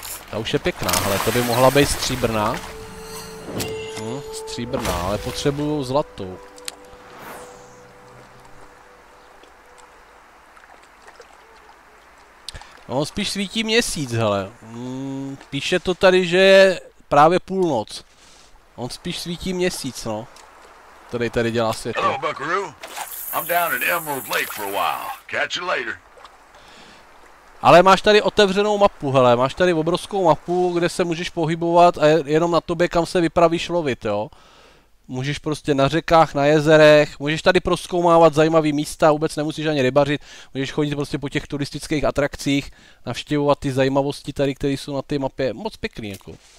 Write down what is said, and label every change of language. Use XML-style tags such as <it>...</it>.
<cs>Ta už je pěkná, hele, to by mohla být stříbrná. Stříbrná, ale potřebuju zlatou. No, spíš svítí měsíc, hele. Píše to tady, že je právě půlnoc. On spíš svítí měsíc, no. Který tady dělá světlo.</cs> <en>Hello, Buckaroo. I'm down at Emerald Lake for a while. Catch you later.</en> <cs>Ale máš tady otevřenou mapu, hele. Máš tady obrovskou mapu, kde se můžeš pohybovat a jenom na tobě, kam se vypravíš lovit, jo. Můžeš prostě na řekách, na jezerech, můžeš tady prozkoumávat zajímavý místa, vůbec nemusíš ani rybařit, můžeš chodit prostě po těch turistických atrakcích, navštěvovat ty zajímavosti tady, které jsou na té mapě, moc pěkný jako.</cs>